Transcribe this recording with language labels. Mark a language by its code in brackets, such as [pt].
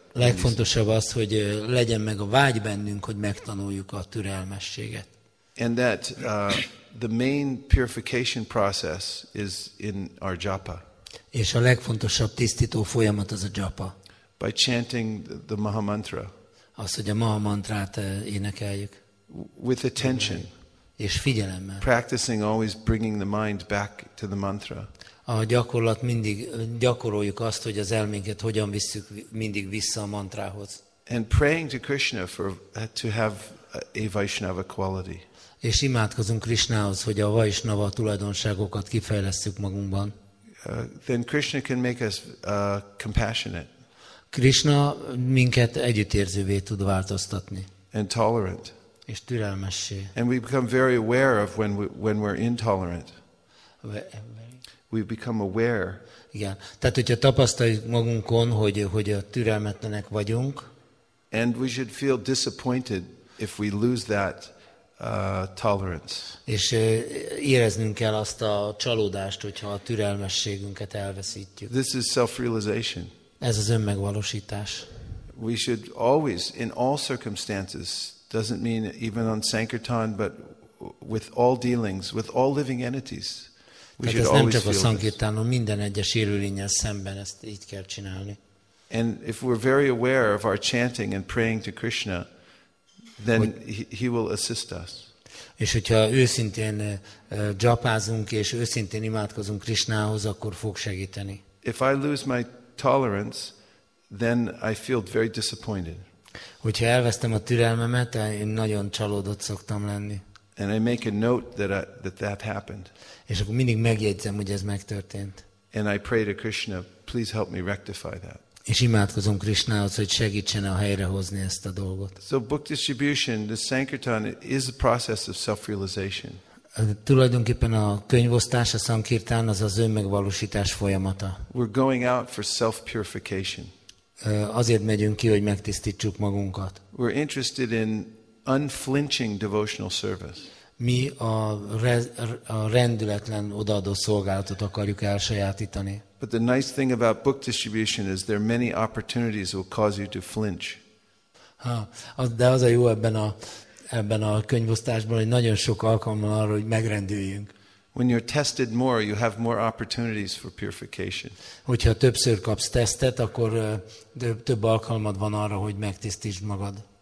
[hu] Legfontosabb az, hogy legyen meg a vágy bennünk, hogy megtanuljuk a türelmességet. [en] And that the main purification process is in our japa. [hu] És a legfontosabb tisztító folyamat az a japa. [en] By chanting the maha mantra. [hu] Azt, hogy a maha mantrát énekeljük. [en] With attention. [hu] És figyelemmel. [en] Practicing always bringing the mind back to the mantra. [hu] A gyakorlat mindig gyakoroljuk azt, hogy az elménket hogyan visszük mindig vissza a mantrához. [en] And praying to Krishna for to have a Vaishnava quality. [hu] És imádkozunk Krishnához, hogy a Vaishnava tulajdonságokat kifejlesszük magunkban. [en] Then Krishna can make us compassionate. [hu] Krishna minket együttérzővé tud változtatni. [en] And tolerant. [hu] És türelmessé. [en] And we become very aware of when we're intolerant. We become aware. [hu] Igen. Tehát, hogyha tapasztaljuk magunkon, hogy a türelmetlenek vagyunk. [en] And we should feel disappointed if we lose that tolerance. [hu] És éreznünk kell azt a csalódást, hogyha a türelmességünket elveszítjük. [en] This is self-realization. [hu] Ez az önmegvalósítás. [en] We should always, in all circumstances, doesn't mean even on Sankirtan, but with all dealings, with all living entities, we should always feel this. [hu] Tehát ez nem csak a Sankirtanon, minden egyes élőlényen szemben ezt így kell csinálni. [en] And if we're very aware of our chanting and praying to Krishna, then he will assist us. [hu] És hogyha őszintén japázunk és őszintén imádkozunk Krishnához, akkor fog segíteni. [en] If I lose my tolerance, then I feel very disappointed. [hu] Hogyha elvesztem a türelmemet, én nagyon csalódott szoktam lenni. [en] And I make a note that happened. [hu] És akkor mindig megjegyzem, hogy ez megtörtént. [en] And I pray to Krishna, please help me rectify that. [hu] És imádkozom Krishnához, hogy segítsen a helyrehozni ezt a dolgot. [en] So book distribution, the Sankirtan is a process of self-realization. [hu] Tulajdonképpen a könyvosztás, a Sankirtan az az önmegvalósítás folyamata. [en] We're going out for self-purification. [hu] Azért megyünk ki, hogy megtisztítsuk magunkat. [en] We're interested in unflinching devotional service. [hu] Mi a rendületlen odaadó szolgálatot akarjuk elsajátítani. [en] But the nice thing about book distribution is there are many opportunities will cause you to flinch. [hu] De az a jó ebben a könyvosztásban, hogy nagyon sok alkalommal arra, hogy megrendüljünk. [en] When you're tested more, you have more opportunities for purification. [hu] Hogyha többször kapsz tesztet, akkor több alkalmad van arra, hogy megtisztítsd magad.